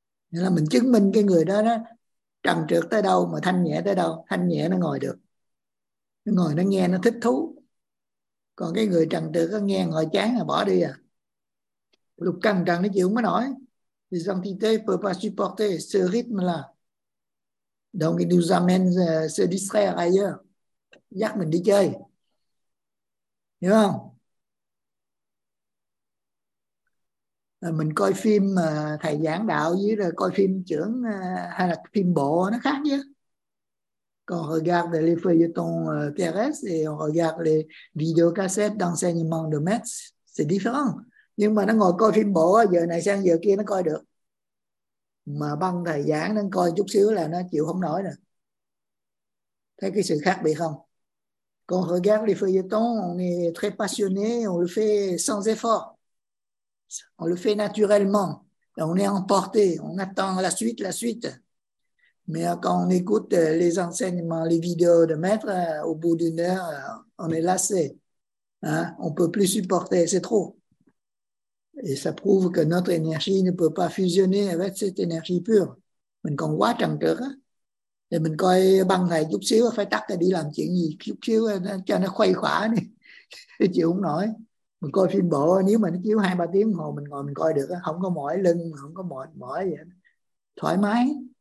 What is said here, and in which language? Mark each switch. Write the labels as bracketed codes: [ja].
[vi] Nên là mình chứng minh cái người đó, đó trần trượt tới đâu mà thanh nhẹ tới đâu. Thanh nhẹ nó ngồi được. Nó ngồi nó nghe nó thích thú. Còn cái người trần trượt có nghe ngồi chán là bỏ đi à. Lục căng trần nó chịu không nổi. [fr] Les entités peuvent pas supporter ce rythme-là. Donc ils nous amènent se distraire ailleurs. [vi] Dắt mình đi chơi. Hiểu không? Mình coi phim thầy giảng đạo với rồi coi phim trưởng hay là phim bộ nó khác chứ. [fr] Quand on regarde les feuilletons terrestres et on regarde les vidéocassettes d'enseignement de maître, c'est différent. [vi] Nhưng mà nó ngồi coi phim bộ giờ này sang giờ kia nó coi được. Mà băng thời gian nó coi chút xíu là nó chịu không nổi rồi. Thấy cái sự khác biệt không? [fr] Quand on regarde les feuilletons, on est très passionné, on le fait sans effort. On le fait naturellement. Et on est emporté, on attend la suite, la suite. Mais quand on écoute les enseignements, les vidéos de maître, au bout d'une heure, on est lassé. Hein? On ne peut plus supporter, c'est trop. Et ça prouve que notre énergie ne peut pas fusionner avec cette énergie pure. [vi] Mình còn quá trần trượt á. Thì mình coi băng thầy chút xíu, phải tắt đi làm chuyện gì chút xíu, cho nó khuây khỏa đi. Chịu không nổi. Mình coi phim bộ, nếu mà nó chiếu 2-3 tiếng hồ, mình ngồi mình coi được. Không có mỏi lưng, không có mỏi gì. Thoải mái.